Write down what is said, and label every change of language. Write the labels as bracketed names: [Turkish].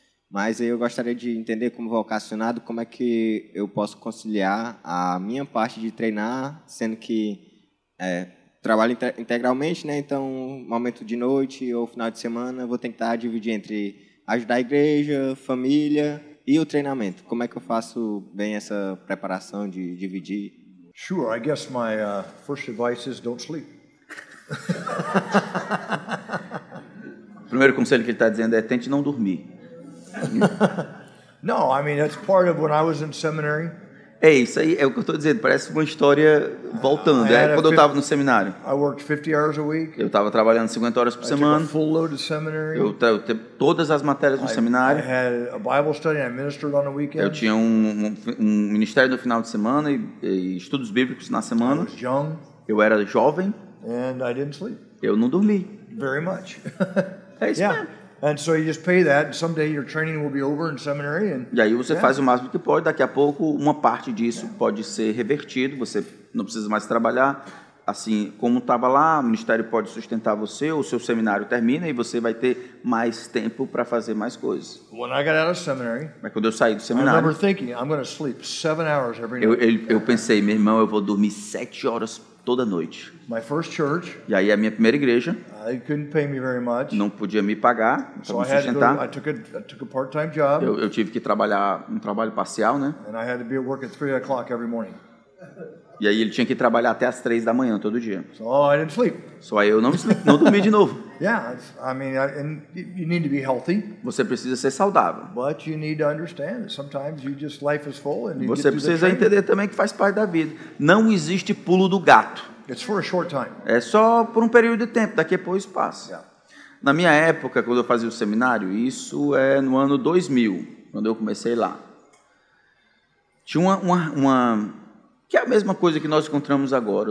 [Portuguese] Mas eu gostaria de entender como vocacionado, como é que eu posso conciliar a minha parte de treinar, sendo que trabalho integralmente, né? Então, momento de noite ou final de semana, eu vou tentar dividir entre ajudar a igreja, família e o treinamento. Como é que eu faço bem essa preparação de dividir? [English] Sure, I guess my first advice is don't sleep. [Portuguese] Primeiro conselho que ele está dizendo é tente não dormir. [English] No, I mean, that's part of when I was in seminary. [Portuguese] Isso aí é o que eu estou dizendo, parece uma história voltando, quando eu estava no seminário. [English] I worked 50 hours a week. [Portuguese] Eu estava trabalhando 50 horas por semana. [English] I took a full load of seminary. [Portuguese] Eu tive todas as matérias no seminário. [English] I had a Bible study and I ministered on the weekend. [Portuguese] Eu tinha um ministério no final de semana e estudos bíblicos na semana. [English] I was young. [Portuguese] Eu era jovem. [English] And I didn't sleep. [Portuguese] Eu não dormi. [English] Very much. [Portuguese] isso mesmo. [English] And so you just pay that, and someday your training will be over in seminary. [Portuguese] E aí você faz o máximo que pode. Daqui a pouco, uma parte disso pode ser revertido. Você não precisa mais trabalhar. Assim como estava lá, o ministério pode sustentar você. O seu seminário termina e você vai ter mais tempo para fazer mais coisas. [English] When I got out of seminary, [Portuguese] mas quando eu saí do seminário, [English] I remember thinking, I'm going to sleep 7 hours every night. [Portuguese] Eu pensei, meu irmão, eu vou dormir 7 horas toda noite. [English] My first church, [Portuguese] e aí a minha primeira igreja, [English] they couldn't pay me very much. [Portuguese] Não podia me pagar para me sustentar. [English] So I took a part-time job. [Portuguese] Eu tive que trabalhar um trabalho parcial, né? [English] And I had to be at work at 3 o'clock every morning. [Portuguese] E aí ele tinha que trabalhar até as 3 da manhã todo dia. [English] So I didn't sleep. [Portuguese] So aí eu não dormi de novo. [English] Yeah, I mean, you need to be healthy. [Portuguese] Você precisa ser saudável. [English] But you need to understand that sometimes you just life is full and you [Portuguese] Você precisa entender também que faz parte da vida. Não existe pulo do gato. [English] It's for a short time. [Portuguese] É só por um período de tempo, daqui a pouco passa. [English] Yeah. [Portuguese] Na minha época, quando eu fazia o seminário, isso é no ano 2000, quando eu comecei lá. Tinha uma que é a mesma coisa que nós encontramos agora.